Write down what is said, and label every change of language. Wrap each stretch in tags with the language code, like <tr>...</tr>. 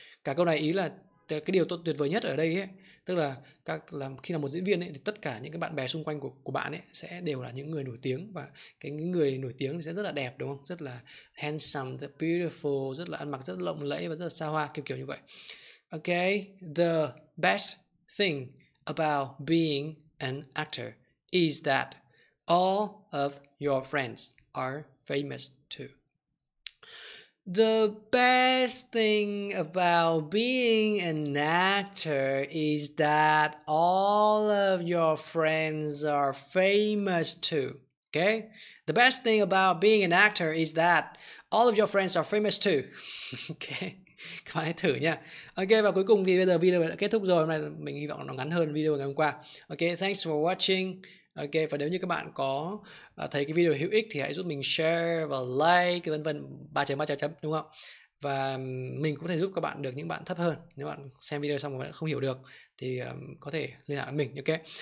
<vi>Cả câu này ý là cái điều tuyệt vời nhất ở đây ấy, tức là các làm khi là một diễn viên ấy, thì tất cả những cái bạn bè xung quanh của bạn ấy sẽ đều là những người nổi tiếng, và cái những người nổi tiếng thì sẽ rất là đẹp, đúng không, rất là handsome, rất beautiful, rất là ăn mặc rất lộng lẫy và rất là xa hoa, kiểu như vậy.</vi> <en>Okay, the best thing about being an actor is that all of your friends are famous too. The best thing about being an actor is that all of your friends are famous too. Okay? The best thing about being an actor is that all of your friends are famous too.</en> <vi>Okay? Các bạn hãy thử nha. Ok, và cuối cùng thì bây giờ video đã kết thúc rồi. Hôm nay mình hy vọng nó ngắn hơn video ngày hôm qua. Ok,</vi> <en>thanks for watching.</en> <vi>Ok, và nếu như các bạn có thấy cái video hữu ích thì hãy giúp mình share và like vân vân, 3.3, đúng không? Và mình cũng có thể giúp các bạn được những bạn thấp hơn. Nếu bạn xem video xong mà bạn không hiểu được thì có thể liên hệ với mình, ok.</vi>